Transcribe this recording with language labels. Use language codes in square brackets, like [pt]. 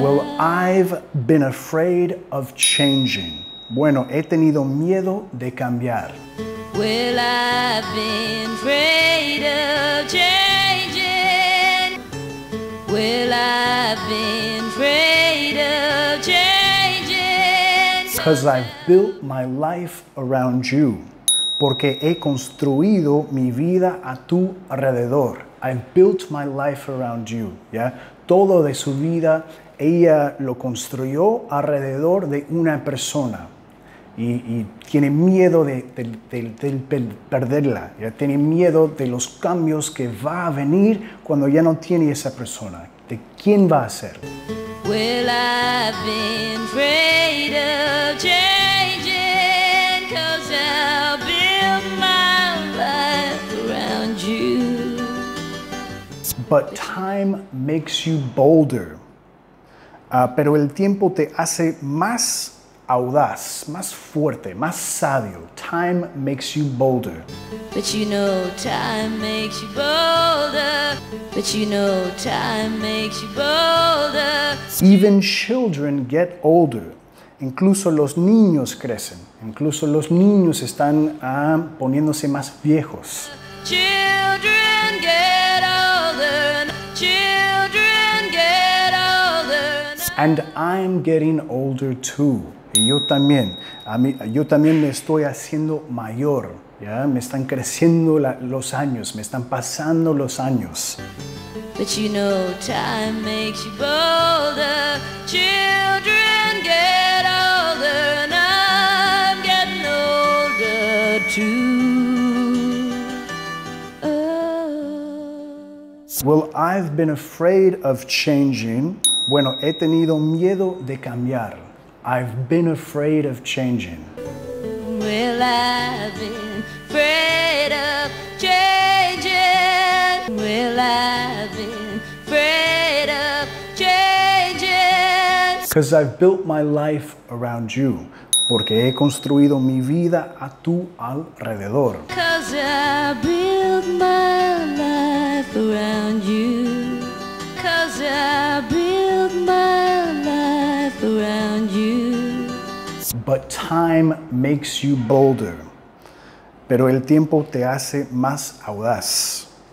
[en] Well, I've been afraid of changing. [es] Bueno, he tenido miedo de cambiar. [en] Well, I've been afraid of changing. Well, I've been afraid of changing. 'Cause I've built my life around you. [es] Porque he construido mi vida a tu alrededor. [en] I've built my life around you. Yeah? [es] Todo de su vida, ella lo construyó alrededor de una persona. Y tiene miedo de perderla. Yeah? Tiene miedo de los cambios que va a venir cuando ya no tiene esa persona. ¿De quién va a ser? [en] Well, I've been afraid of changing, 'cause I'll build my life around you. But time makes you bolder. [es] Pero el tiempo te hace más audaz, más fuerte, más sabio. [en] Time makes you bolder. But you know time makes you bolder. But you know time makes you bolder. Even children get older. [es] Incluso los niños crecen. Incluso los niños están poniéndose más viejos. [en] Children get older. Children get older. And I'm getting older too. [es] Y yo también. Yo también me estoy haciendo mayor. Yeah, me están creciendo los años, me están pasando los años. [en] But you know time makes you bolder. Children get older and I'm getting older too. Oh. Well, I've been afraid of changing. [es] Bueno, he tenido miedo de cambiar. [en] I've been afraid of changing. Well, I've been afraid of changing. Well, I've been afraid of changing. 'Cause I've built my life around you. [es] Porque he construido mi vida a tu alrededor. [en] 'Cause I've built my life around you. 'Cause I've built my life around you. But time makes you bolder. [es] Pero el tiempo te hace más audaz.